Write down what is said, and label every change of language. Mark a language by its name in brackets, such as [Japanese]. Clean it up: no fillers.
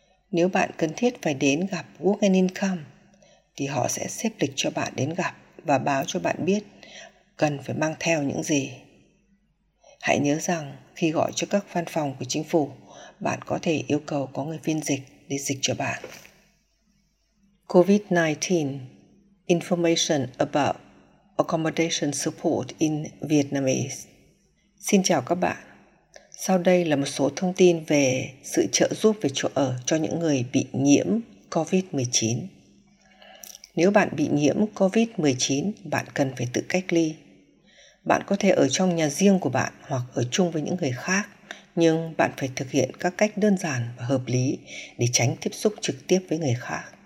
[Vietnamese] Nếu bạn cần thiết phải đến gặp Work and Income, thì họ sẽ xếp lịch cho bạn đến gặp và báo cho bạn biết cần phải mang theo những gì. Hãy nhớ rằng khi gọi cho các văn phòng của chính phủ, bạn có thể yêu cầu có người phiên dịch để dịch cho bạn. [English] COVID-19 Information about Accommodation Support in Vietnamese. [Vietnamese] Xin chào các bạn. Sau đây là một số thông tin về sự trợ giúp về chỗ ở cho những người bị nhiễm COVID-19. Nếu bạn bị nhiễm COVID-19, bạn cần phải tự cách ly. Bạn có thể ở trong nhà riêng của bạn hoặc ở chung với những người khác, nhưng bạn phải thực hiện các cách đơn giản và hợp lý để tránh tiếp xúc trực tiếp với người khác.